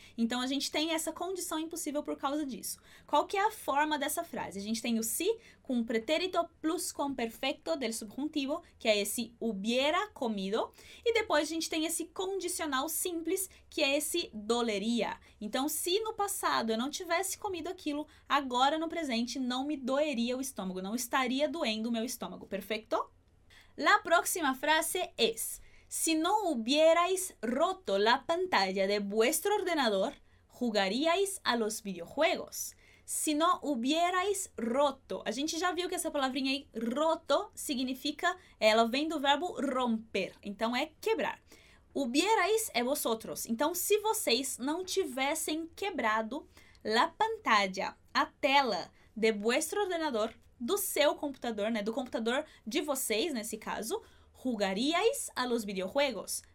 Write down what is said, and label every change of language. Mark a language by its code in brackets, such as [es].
[pt] Então, a gente tem essa condição impossível por causa disso. Qual que é a forma dessa frase? A gente tem o si com pretérito plus com perfecto del subjuntivo, que é esse hubiera comido, e depois a gente tem esse condicional simples, que é esse doleria. Então, se no passado eu não tivesse comido aquilo, agora no presente não me doeria o estômago, não estaria doendo o meu estômago, perfeito? [es] La próxima frase es: si no hubierais roto la pantalla de vuestro ordenador, jugaríais a los videojuegos. Si no hubierais roto, [pt] a gente já viu que essa palavrinha aí, roto, significa, ela vem do verbo romper, então é quebrar. Hubierais é vosotros, então se vocês não tivessem quebrado [es] la pantalla, [pt] a tela, [es] de vuestro ordenador, [pt] do seu computador, né, do computador de vocês, nesse caso, [es] jugaríais a los videojuegos.